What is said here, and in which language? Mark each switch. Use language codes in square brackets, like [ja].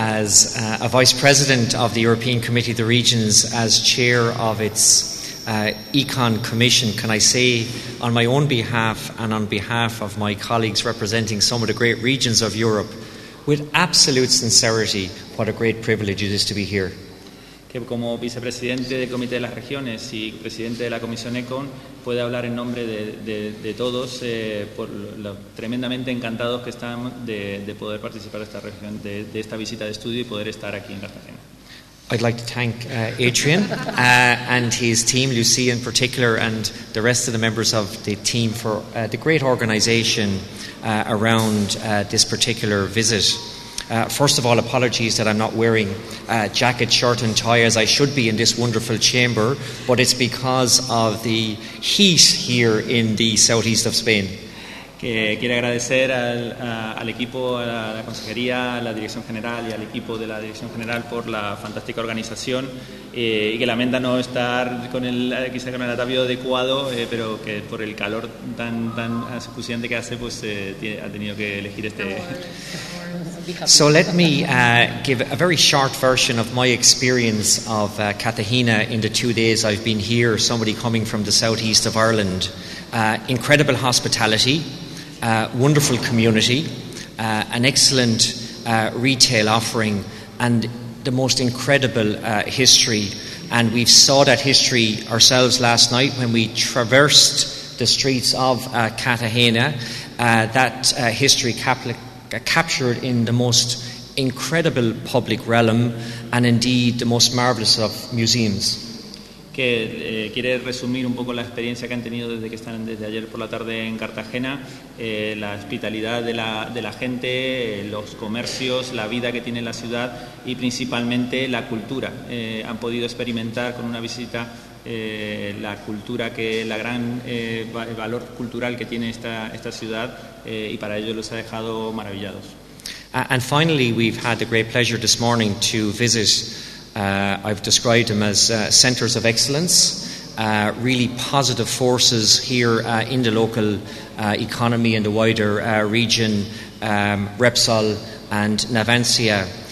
[en] As a vice president of the European Committee of the Regions, as chair of its Econ Commission, can I say on my own behalf and on behalf of my colleagues representing some of the great regions of Europe with absolute sincerity what a great privilege it is to be here. [es] Que como vicepresidente del Comité de las Regiones y presidente de la Comisión Econ puede hablar en nombre de todos por lo tremendamente encantados que están de poder participar esta región de esta visita de estudio y poder estar aquí en Cartagena. [en] I'd like to thank Adrian and his team, Lucie in particular, and the rest of the members of the team for the great organisation around this particular visit. First of all, apologies that I'm not wearing jacket, shirt and tie as I should be in this wonderful chamber, but it's because of the heat here in the southeast of Spain. [es] Quiero agradecer al equipo, a la consejería, a la dirección general y al equipo de la dirección general por la fantástica organización y que lamenta no estar con el atavío adecuado, pero que por el calor tan acuciante que hace, pues ha tenido que elegir este. [en] So let me give a very short version of my experience of Cartagena in the 2 days I've been here, somebody coming from the southeast of Ireland. Incredible hospitality. Wonderful community, an excellent retail offering, and the most incredible history. And we saw that history ourselves last night when we traversed the streets of Cartagena, that history captured in the most incredible public realm and indeed the most marvelous of museums. [es] Que quiere resumir un poco la experiencia que han tenido desde que están desde ayer por la tarde en Cartagena, la hospitalidad de la gente, los comercios, la vida que tiene la ciudad y principalmente la cultura. Han podido experimentar con una visita la cultura, que la gran valor cultural que tiene esta ciudad y para ello los ha dejado maravillados. [en] And finally, we've had the great pleasure this morning to visit. I've described them as centres of excellence, really positive forces here in the local economy and the wider region, Repsol and Navantia.